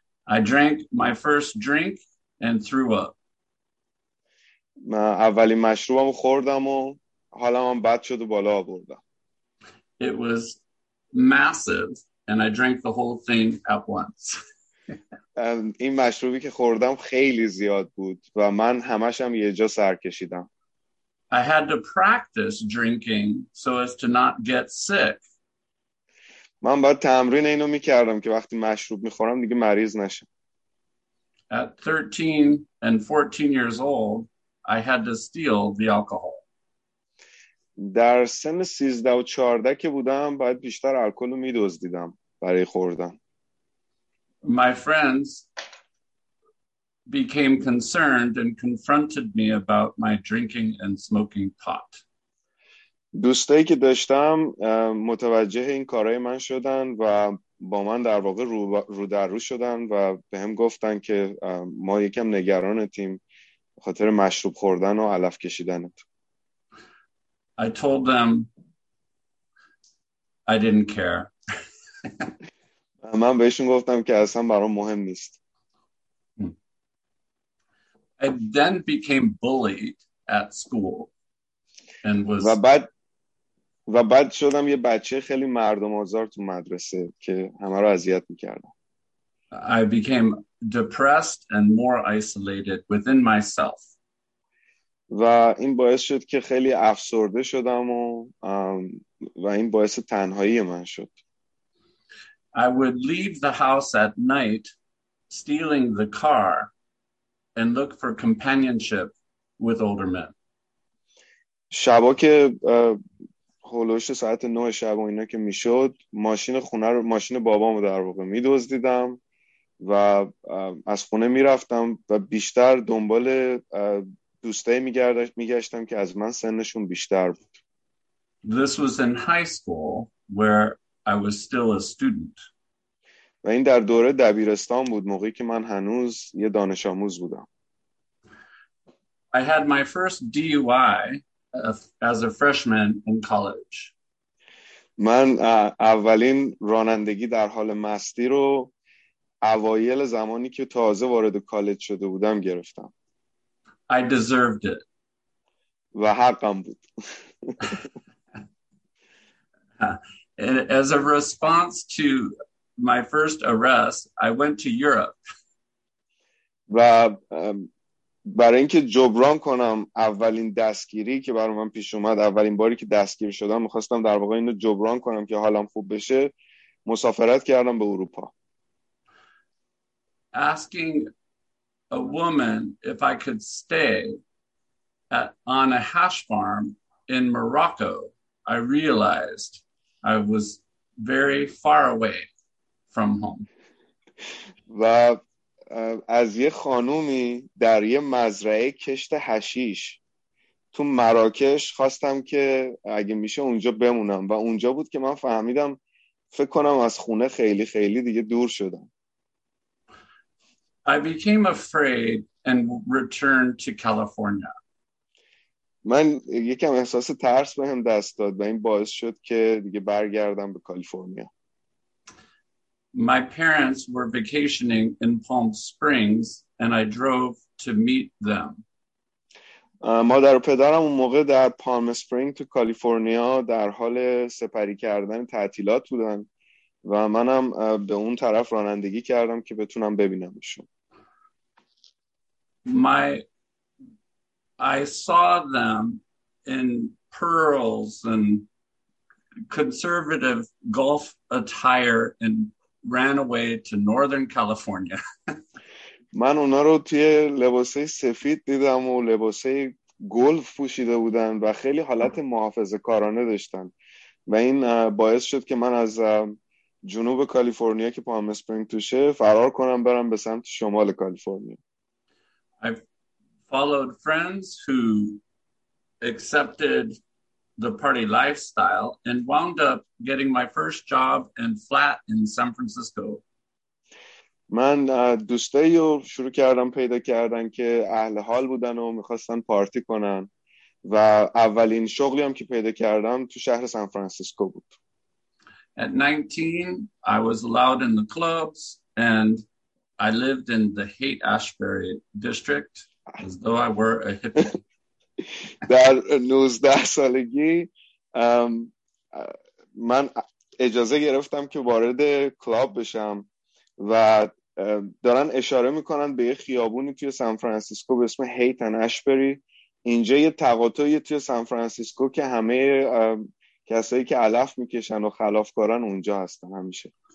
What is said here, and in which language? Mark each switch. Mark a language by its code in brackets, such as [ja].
[en] I drank my first drink and threw up. [fa] من اولین مشروبم خوردم و حالم هم بد شد و بالا آوردم. [en] It was massive and I drank the whole thing at once. [fa] این مشروبی که خوردم خیلی زیاد بود و من همش هم یه جا سر کشیدم. [en] I had to practice drinking so as to not get sick. [fa] من باید تمرین اینو میکردم که وقتی مشروب میخورم دیگه مریض نشم. [en] At 13 and 14 years old, I had to steal the alcohol. [fa] در سن 13 و 14 که بودم باید بیشتر الکل رو میدزدیدم برای خوردن. [en] My friends became concerned and confronted me about my drinking and smoking pot. [fa] دوستایی که داشتم متوجه این کارهای من شدن و با من در واقع رو در رو شدن و به هم گفتن که ما یکم نگران تیم خاطر مشروب خوردن و علف کشیدنت. [en] I told them I didn't care. [fa] من بهشون گفتم که اصلا برام مهم نیست. [en] I then became bullied at school and was [fa] و بعد شدم یه بچه خیلی مردم آزار تو مدرسه که همه رو اذیت می‌کردم. [en] I became depressed and more isolated within myself. [fa] و این باعث شد که خیلی افسرده شدم و این باعث تنهایی من شد. [en] I would leave the house at night, stealing the car, and look for companionship with older men. [fa] شبا که هولوش ساعت 9 شب و اینا که میشد، ماشین خونه رو، ماشین بابامو در واقع میدزدیدم و از خونه میرفتم و بیشتر دنبال دوستایی میگشتم که از من سنشون بیشتر بود. [en] This was in high school where I was still a student. [fa] و این در دوره دبیرستان بود، موقعی که من هنوز یه دانش آموز بودم. [en] I had my first DUI as a freshman in college. [fa] من اولین رانندگی در حال مستی رو اوایل زمانی که تازه وارد کالج شده بودم گرفتم. [en] I deserved it. [fa] و حقم بود. [en] As a response to my first arrest, I went to Europe. [fa] و برای اینکه جبران کنم اولین دستگیری که برای من پیش اومد، اولین باری که دستگیر شدم، میخواستم در واقع اینو جبران کنم که حالم خوب بشه، مسافرت کردم به اروپا. [en] Asking a woman if I could stay on a hash farm in Morocco, I realized I was very far away from home. [fa] و از یه خانومی در یه مزرعه کشت حشیش تو مراکش خواستم که اگه میشه اونجا بمونم و اونجا بود که من فهمیدم فکر کنم از خونه خیلی خیلی دیگه دور شدم. [en] I became afraid and returned to California. [fa] من یکم احساس ترس به هم دست داد و این باعث شد که دیگه برگردم به کالیفرنیا. [en] My parents were vacationing in Palm Springs and I drove to meet them. [fa] مادر و پدرم اون موقع در پالم اسپرینگ تو کالیفرنیا در حال سپری کردن تعطیلات بودن و منم به اون طرف رانندگی کردم که بتونم ببینمشون. [en] I saw them in pearls and conservative golf attire and ran away to Northern California. [fa] من اونا رو توی لباسه سفید دیدم و لباسه گلف پوشیده بودن و خیلی حالت محافظه‌کارانه داشتن و این باعث شد که من از جنوب کالیفرنیا که پام اسپرینگ توشه فرار کنم برم به سمت شمال کالیفرنیا. [en] I followed friends who accepted the party lifestyle and wound up getting my first job and flat in San Francisco. [fa] من دوستایی رو شروع کردم پیدا کردن که اهل حال بودن و میخواستن پارتی کنن و اولین شغلی هم که پیدا کردم تو شهر سان فرانسیسکو بود. [en] At 19, I was allowed in the clubs and I lived in the Haight-Ashbury district as though I were a hippie. [fa] در 19 سالگی من اجازه گرفتم که وارد کلاب بشم و دارن اشاره میکنن به یه خیابونی توی سان فرانسیسکو به اسم هیت اند اشبری. اینجا یه تقاطعی توی سان فرانسیسکو که همه کسایی که علف میکشن و خلافکارن اونجا هستن همیشه.